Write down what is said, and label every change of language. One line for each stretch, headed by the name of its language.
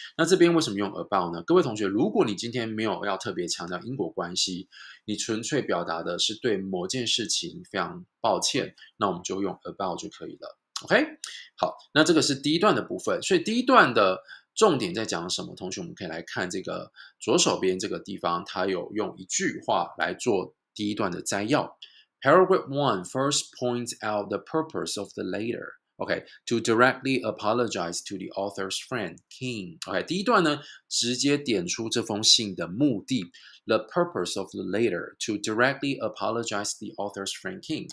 Chinese: 那这边为什么用 about 呢？各位同学，如果你今天没有要特别强调因果关系，你纯粹表达的是对某件事情非常抱歉，那我们就用 about 就可以了。 OK， 好，那这个是第一段的部分。所以第一段的重点在讲什么？同学我们可以来看这个左手边这个地方，它有用一句话来做第一段的摘要。
English: Paragraph 1 first points out the purpose of the letter. OK, to directly apologize to the author's friend, King.
Chinese: OK, 第一段呢，直接点出这封信的目的。
English: The purpose of the letter, to directly apologize to the author's friend, King.